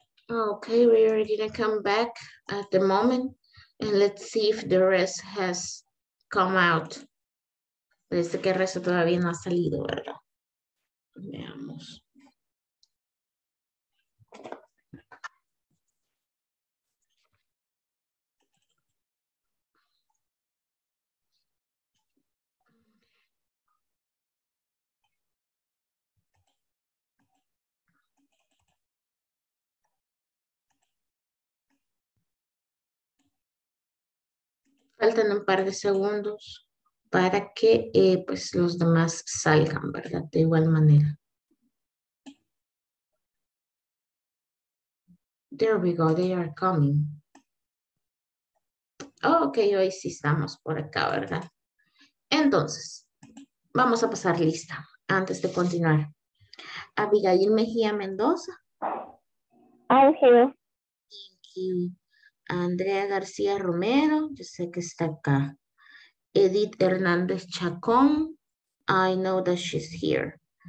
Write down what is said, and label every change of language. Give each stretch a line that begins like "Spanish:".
English: Okay, we are gonna come back at the moment and let's see if the rest has come out.
Spanish: Parece que el resto todavía no ha salido, ¿verdad? Veamos. Faltan un par de segundos para que pues los demás salgan, ¿verdad? De igual manera.
English: There we go, they are coming.
Spanish: Oh, ok, hoy sí estamos por acá, ¿verdad? Entonces, vamos a pasar lista antes de continuar. Abigail Mejía Mendoza.
English: I'm here. Thank you.
Spanish: Andrea García Romero, yo sé que está acá.
English: Edith Hernández Chacón, I know that she's here.